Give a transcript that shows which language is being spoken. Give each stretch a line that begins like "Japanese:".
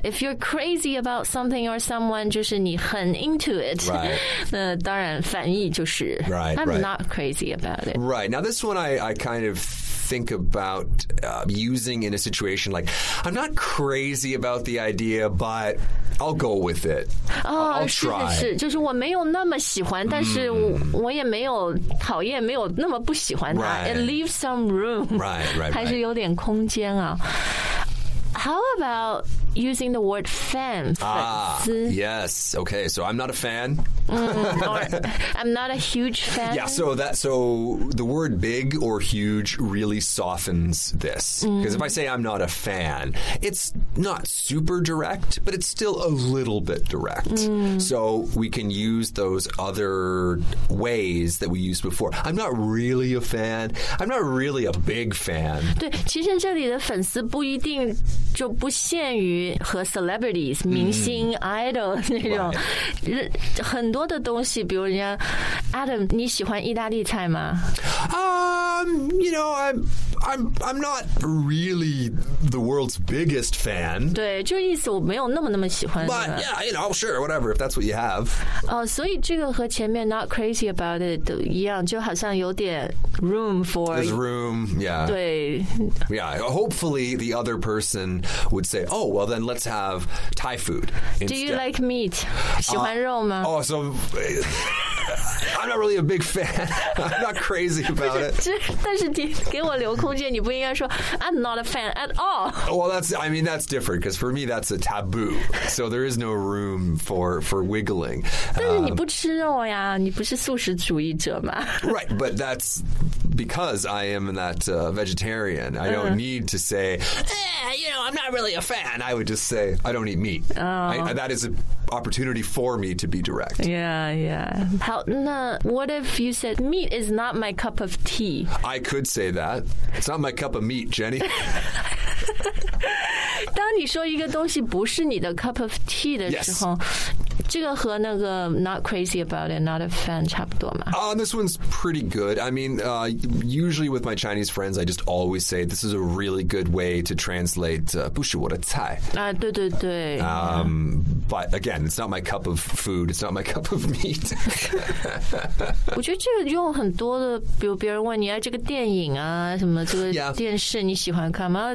English: If you're crazy about something or someone,
Chinese: 就是你很
English: into it. Right.
Chinese: 当然反义就是
English: right, not crazy about it. Right. Now this one I kind of think about、using in a situation like, I'm not crazy about the idea, but... I'll go with it. I'll try.
Chinese: 是是是，就是我没有那么喜欢，但是我也没有讨厌，没有那么不喜欢它。
English: Right. It leaves some room. Right.
Chinese: 还是有点空间啊。
English: How about using the word fan? Yes. Okay. So I'm not a fan. I'm not a huge fan. Yeah. So the word big or huge really softens this. Because、mm. if I say I'm not a fan, it's not super direct, but it's still a little bit direct.、 Mm. So we can use those other ways that we used before. I'm not really a fan. I'm not really a big fan.
Chinese: 对，其实这里的粉丝不一定就不限于和 celebrities、mm. 明星 idol 那种、
English: right.
Chinese: 很多的东西，比如人家 Adam， 你喜欢意大利菜吗？
English: You know, I'm not really the world's biggest fan.
Chinese: 对，就意思我没有那么那么喜欢。
English: But yeah, you know, sure, whatever. If that's what you have.
Chinese: 哦、oh, ，所以这个和前面 not crazy about it 一样，就好像有点 room for
English: there's room. Yeah.
Chinese: 对。
English: Yeah. Hopefully, the other person would say, "Oh, well, then let's have Thai food." Do you like meat?
Chinese: 喜欢肉吗？
English: 哦、oh, ，so. I'm not really a big fan. I'm not crazy about it.
Chinese: 但是你给我留空间，你不应该说
English: I'm not a fan at all. Well, that's different because for me that's a taboo. So there is no room for wiggling.
Chinese: 但是你不吃肉呀，你不是素食主义者吗？
English: Right, but that's because I am that vegetarian. I don't need to say, hey, you know, I'm not really a fan. I would just say I don't eat meat. That is an opportunity for me to be direct. Yeah, yeah. How, no, what if you said, meat is not my cup of tea? I could say that. It's not my cup of meat, Jenny.
Chinese: 当你说一个东西不是你的 cup of tea 的时候、
English: yes.
Chinese: 这个和那个
English: not crazy about it, not a fan
Chinese: 差不多嘛。
English: This one's pretty good. I mean, usually with my Chinese friends, I just always say this is a really good way to translate
Chinese: 不是我的菜。啊，对对对。
English: But again, it's not my cup of food. It's not my cup of meat.
Chinese: 我觉得这个用很多的，比如别人问你啊，这个电影啊，什么这个电视你喜欢看吗？